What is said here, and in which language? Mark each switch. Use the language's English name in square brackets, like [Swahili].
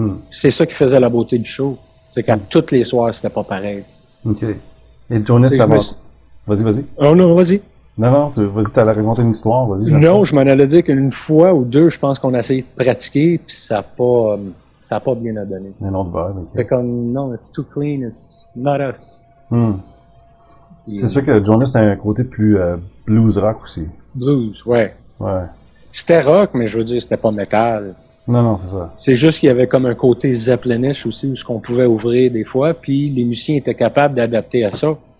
[French] C'est ça qui faisait la beauté du show. C'est qu'à toutes les soirs, c'était pas pareil. OK. Et Jonas, t'as... Vas-y. Oh non, vas-y. Non, vas-y, t'allais raconter une histoire, vas-y. Non, je m'en allais dire qu'une fois ou deux, je pense qu'on a essayé de pratiquer, puis ça a pas bien à donner. Un autre verre, OK. Fait comme, non, [English] it's too clean, it's not us. [French] C'est sûr que Jonas a un côté plus blues rock aussi. Blues, ouais. Ouais. C'était rock, mais je veux dire, c'était pas métal. Non, c'est ça. C'est juste qu'il y avait comme un côté Zeppelin-ish aussi, où ce qu'on pouvait ouvrir des fois, puis les musiciens étaient capables d'adapter à ça.